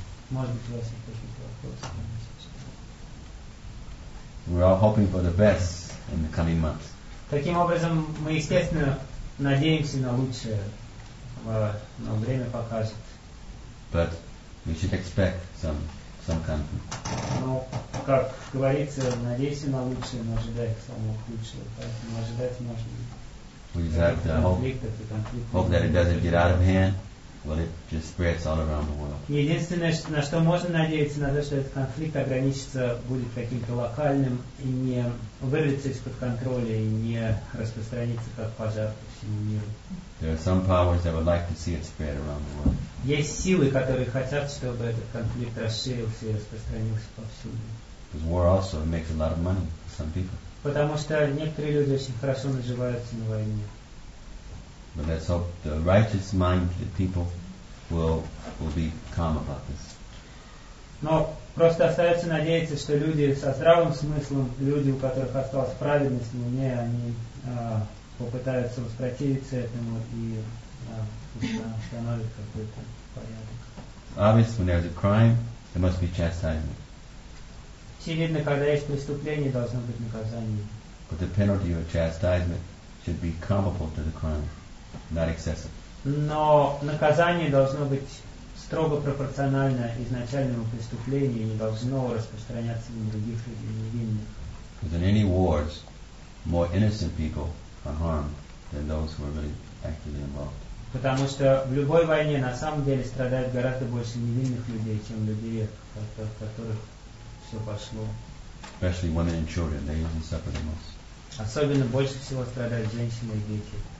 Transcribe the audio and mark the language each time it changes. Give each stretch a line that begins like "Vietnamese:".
Russian: Может быть, у вас есть какие-то вопросы?
English: We're all hoping for the best in the coming months.
Russian: Таким образом, мы естественно надеемся на лучшее, но время покажет.
English: But we should expect some kind of.
Russian: Но, как говорится, надеемся на лучшее, но ожидаем самого худшего. Поэтому ожидать можно.
English: We just have to hope that it doesn't get out of hand. Well, it just spreads all around the world.
Russian: Единственное, на что можно надеяться, на то, что этот конфликт ограничится, будет каким-то локальным и не вырвется из-под контроля и не распространится как пожар по всему миру.
English: There are some powers that would like to see it spread around the world.
Russian: Есть силы, которые хотят, чтобы этот конфликт расширился и распространился повсюду.
English: Because war also makes a lot of money for some people.
Russian: Потому что некоторые люди очень хорошо наживаются на войне.
English: But let's hope the righteous mind of people will be calm about this.
Russian: Но просто остается надеяться, что люди со здравым смыслом, люди, у которых осталась праведность, мне они попытаются воспротивиться этому и установить какой-то порядок.
English: Obviously, when there's a crime, there must be chastisement.
Russian: Очевидно, когда есть преступление, должно быть наказание.
English: But the penalty or chastisement should be comparable to the crime. Not excessive.
Russian: Но наказание должно быть строго пропорционально изначальному преступлению и не должно распространяться на других людей невинных.
English: Because in any wars, more innocent people are harmed than those who are really actively involved.
Russian: Потому что в любой войне на самом деле страдают гораздо больше невинных людей, чем людей, от которых все пошло.
English: Especially women and children, they even suffer the most.
Russian: Особенно больше всего страдают женщины и дети.